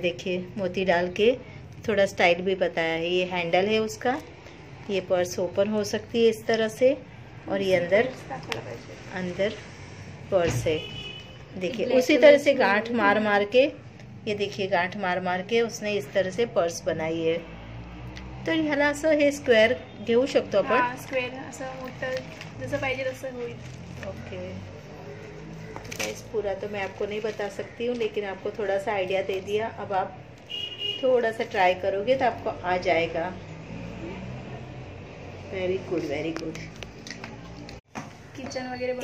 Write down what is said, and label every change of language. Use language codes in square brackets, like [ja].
[hi] देखिए मोती डाल के थोड़ा स्टाइल भी बताया है। ये हैंडल है उसका, ये पर्स ओपन हो सकती है इस तरह से, और ये अंदर अंदर पर्स है। देखिए उसी तरह से गांठ मार मार के, ये देखिए गांठ मार मार के उसने इस तरह से पर्स बनाई है। [mr] तो ह्याला असं हे स्क्वेअर घेऊ शकतो आपण, स्क्वेअर असं मोठं जसं पाहिजे तसं होईल। [hi] ओके गाइस पूरा तो मैं आपको नहीं बता सकती हूँ, लेकिन आपको थोड़ा सा आइडिया दे दिया। अब आप थोड़ा सा ट्राई करोगे तो आपको आ जाएगा। [en] Very good very good. [hi] Kitchen वगैरह,